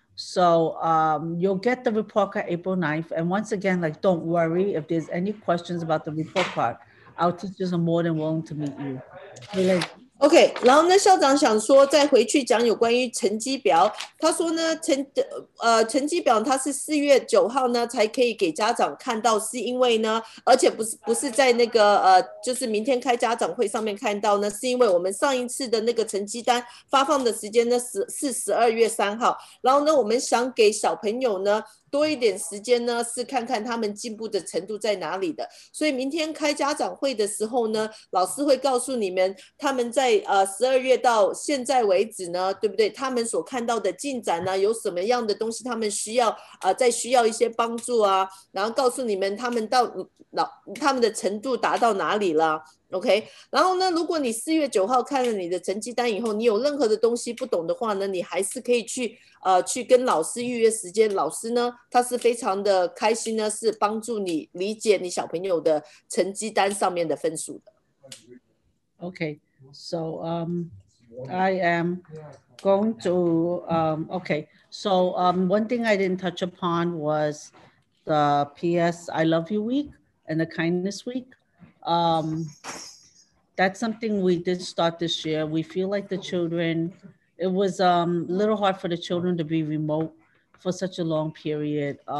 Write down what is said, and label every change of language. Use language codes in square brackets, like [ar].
[en] So you'll get the report card April 9th. And once again, like, don't worry if there's any questions about the report card. Our teachers are more than willing to meet you. [zh] OK, 然后呢，校长想说再回去讲有关于成绩表。他说呢，成绩表它是4月9号呢才可以给家长看到，是因为呢，而且不是在那个就是明天开家长会上面看到呢，是因为我们上一次的那个成绩单发放的时间呢是12月3号。然后呢，我们想给小朋友呢。多一点时间呢，是看看他们进步的程度在哪里的。所以明天开家长会的时候呢，老师会告诉你们他们在。在12月到现在为止呢，对不对，他们所看到的进展呢，有什么样的东西他们需要在需要一些帮助啊，然后告诉你们他们到他们的程度达到哪里了 OK。然后呢，如果你4月9号看了你的成绩单以后，你有任何的东西不懂的话呢，你还是可以去跟老师预约时间，老师呢他是非常的开心呢，是帮助你理解你小朋友的成绩单上面的分数的。 [en] Okay, so I am going to, okay, so one thing I didn't touch upon was the PS I Love You Week and the Kindness Week. That's something we did start this year. We feel like the children, it was a little hard for the children to be remote for such a long period.